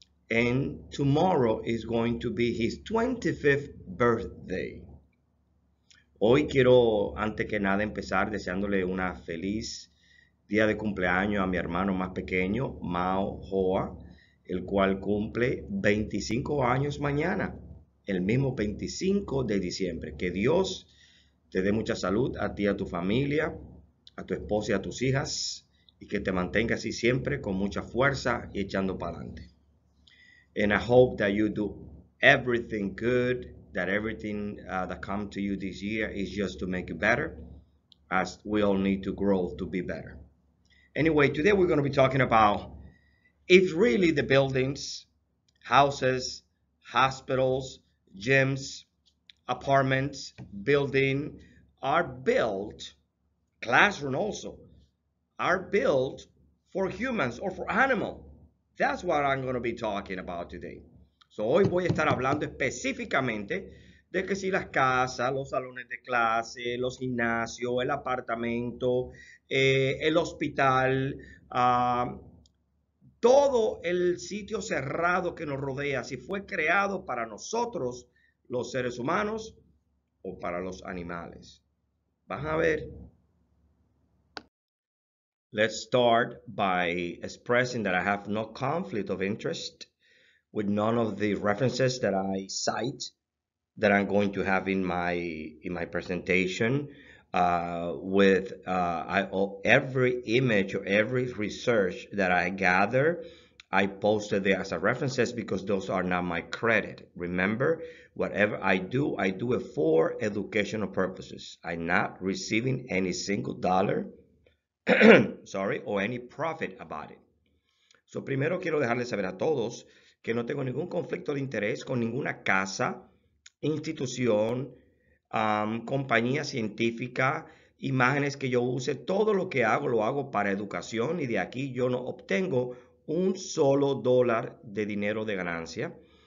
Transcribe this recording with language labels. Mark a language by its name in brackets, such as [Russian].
[English] And tomorrow is going to be his 25th birthday. [Spanish] Hoy quiero, antes que nada, empezar deseándole una feliz día de cumpleaños a mi hermano más pequeño, Mao Hoa, el cual cumple 25 años mañana, el mismo 25 de diciembre. Que Dios te dé mucha salud a ti, a tu familia, a tu esposa y a tus hijas, y que te mantenga así siempre con mucha fuerza y echando para adelante. [English] And I hope that you do everything good, that everything that come to you this year is just to make you better, as we all need to grow to be better. Anyway, today we're going to be talking about if really the buildings, houses, hospitals, gyms, apartments, building are built, classroom also, are built for humans or for animals. That's what I'm going to be talking about today. [Spanish] So hoy voy a estar hablando específicamente de que si las casas, los salones de clase, los gimnasios, el apartamento, el hospital, todo el sitio cerrado que nos rodea, si fue creado para nosotros, los seres humanos, o para los animales. Van a ver. [English] Let's start by expressing that I have no conflict of interest with none of the references that I cite that I'm going to have in my presentation every image or every research that I gather, I posted there as a references because those are not my credit. Remember, whatever I do it for educational purposes. I'm not receiving any single dollar, or any profit about it. [Spanish] So primero quiero dejarles saber a todos que no tengo ningún conflicto de interés con ninguna casa, institución, compañía científica, imágenes que yo use, todo lo hago para educación y de aquí yo no obtengo un solo dólar de dinero de ganancia.